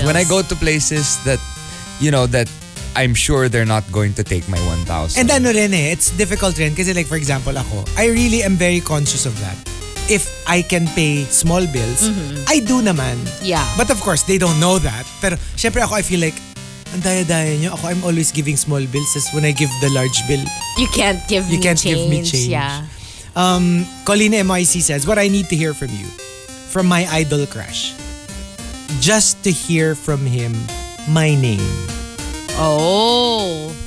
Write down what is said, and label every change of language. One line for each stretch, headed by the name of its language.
English: When I go to places that, you know, that I'm sure they're not going to take my 1,000.
Filipino: And ano rin eh,
English: it's difficult
Filipino: rin. Kasi
English: like for example
Filipino: ako,
English: I really am very conscious of that. If I can pay small bills, I do
Filipino: naman.
English: Yeah. But of course, they don't know that.
Filipino: Pero syempre ako,
English: I feel like,
Filipino: ang daya-daya nyo. Ako,
English: I'm always giving small bills. Since when I give the large bill, You can't give me change. Yeah. Colleen MIC says, what I need to hear from you, from my idol crush, just to hear from him, my name. Oh.